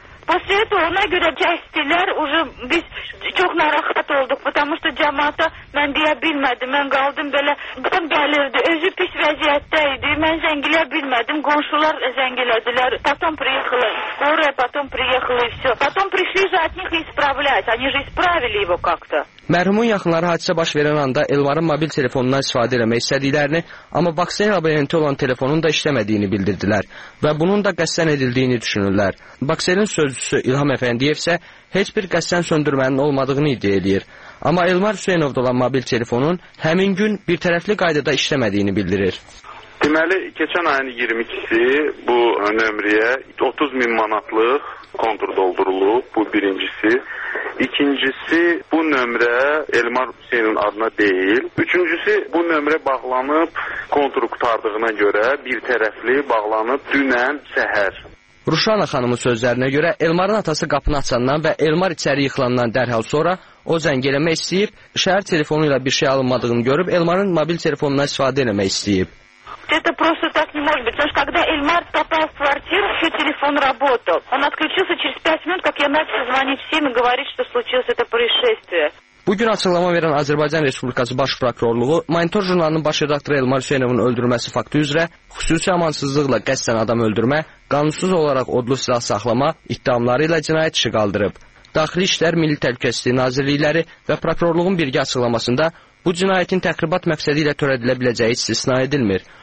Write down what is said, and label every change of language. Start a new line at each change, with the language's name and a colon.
Russian: После этого
Azerbaijani: ona görə kəsdilər, уже biz çox narahat olduq,
Russian: потому что
Azerbaijani: cəmata mən deyə bilmədim, mən qaldım belə, qan gəlirdi, özü pis vəziyyətdə idi, mən zəng eləyə bilmədim, qonşular zəng elədilər,
Russian: потом приехала, скорая, потом приехала и всё. Потом пришли же от них исправлять, они же исправили его как-то.
Azerbaijani: Mərhumun yaxınları hadisə baş verən anda Elmarın mobil telefonundan istifadə eləmək istədiklərini, amma Baksin abonenti olan telefonun da işləmədiyini bildirdilər və bunun da qəsdən edildiyini düşünürlər. Baksin sözcüsü İlham Əfəndiyev isə heç bir qəsdən söndürmənin olmadığını iddia edir. Amma Elmar Hüseynovda olan mobil telefonun həmin gün bir tərəfli qaydada işləmədiyini bildirir. Deməli, keçən ayın 22-si bu nömrəyə 30000 manatlıq kontur doldurulub, bu birincisi. İkincisi, bu nömrə Elmar Hüseynin adına deyil. Üçüncüsü, bu nömrə bağlanıb kontur qutardığına görə bir tərəfli bağlanıb dünən səhər. Ruşana xanımın sözlərinə görə Elmarın atası qapını açandan və Elmar içəri yıxılandan dərhal sonra o zəng eləmək istəyib, şəhər telefonu ilə bir şey alınmadığını görüb Elmarın mobil telefonundan istifadə eləmək istəyib.
Russian: Это просто так не может быть. Потому что когда Эльмар попал в квартиру, еще телефон работал. Он отключился через 5 минут, как я начал звонить всем и говорить, что случилось это происшествие.
Azerbaijani: Bugün açıqlama verən Azərbaycan Respublikası Baş Prokurorluğu, Monitor jurnalının baş redaktoru Elmar Hüseynovun öldürülməsi faktı üzrə xüsusi amansızlıqla qəsdən adam öldürmə, qanunsuz olaraq odlu silah saxlama iddiamları ilə cinayət işi qaldırıb. Daxili İşlər Milli Təhlükəsizliyi Nazirlikləri və Prokurorluğun birgə açıqlamasında bu cinayətin təxribat məqsədi ilə törədilə biləcəyi istisna edilmir.